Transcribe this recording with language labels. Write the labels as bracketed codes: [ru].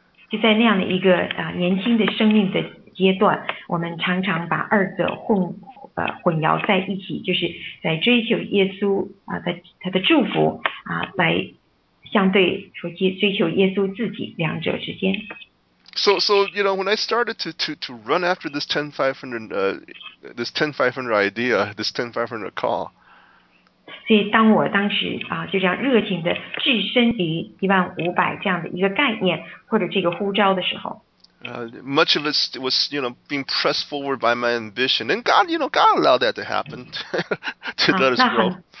[zh] 就在那样的一个年轻的生命的阶段，我们常常把二者混淆在一起，就是在追求耶稣他的祝福来相对说追求耶稣自己两者之间。 [en] So you know, when I started to run after this 10500 idea, this 10500 call. [zh] 所以当我当时就这样热情的置身于15000这样的一个概念或者这个呼召的时候。 [en] Much of it was, you know, being pressed forward by my ambition, and God, you know, God allowed that to happen to let us grow.